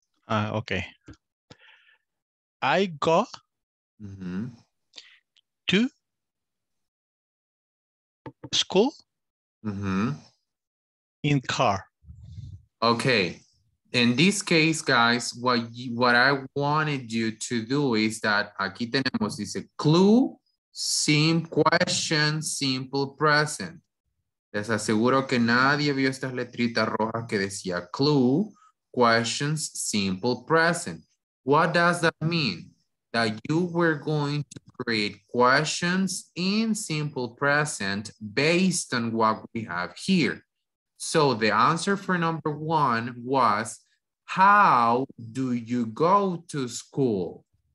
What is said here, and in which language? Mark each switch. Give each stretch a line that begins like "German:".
English: Okay. I go to school in car. Okay, in this case, guys, what I wanted you to do is that
Spanish: aquí tenemos dice
English: clue, same question, simple present.
Spanish: Les aseguro que nadie vio estas letritas rojas que decía clue, questions, simple present.
English: What does that mean? That you were going to create questions in simple present based on what we have here. So the answer for number one was, how do you go to school?